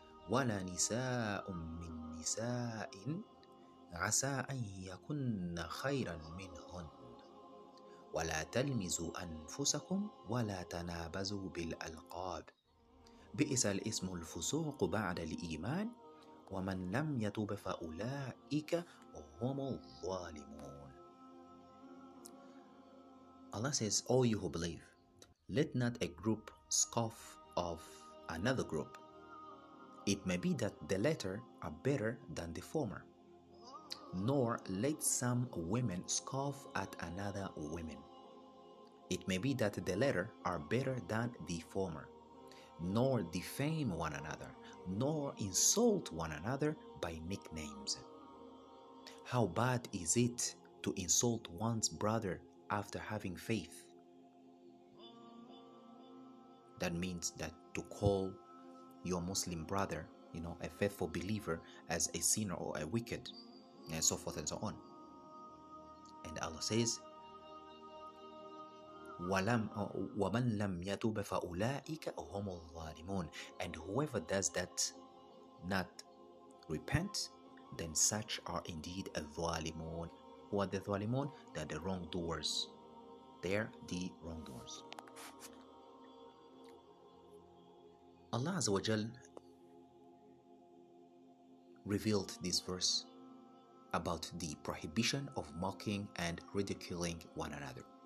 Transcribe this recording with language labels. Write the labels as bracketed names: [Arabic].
[Arabic] ولا نساء من نساء عسى أن يكن خيرا منهن ولا تلمزوا أنفسكم ولا تنابزوا بالألقاب بئس الاسم الفسوق بعد الإيمان ومن لم يتوب فأولئك هم الظالمون. [English] Allah says, all you who believe, let not a group scoff of another group. It may be that the latter are better than the former. Nor let some women scoff at another woman. It may be that the latter are better than the former. Nor defame one another, nor insult one another by nicknames. How bad is it to insult one's brother after having faith? That means that to call your Muslim brother, you know, a faithful believer, as a sinner or a wicked, and so forth and so on. And Allah says, [Arabic] وَمَنْ لَمْ يَتُوبَ فَأُولَٰئِكَ هُمُ الظَّالِمُونَ. [English] And whoever does that not repent, then such are indeed a dhalimun. Who are the dhalimun? They're the wrongdoers. They're the wrongdoers. Allah Azza wa Jal revealed this verse about the prohibition of mocking and ridiculing one another.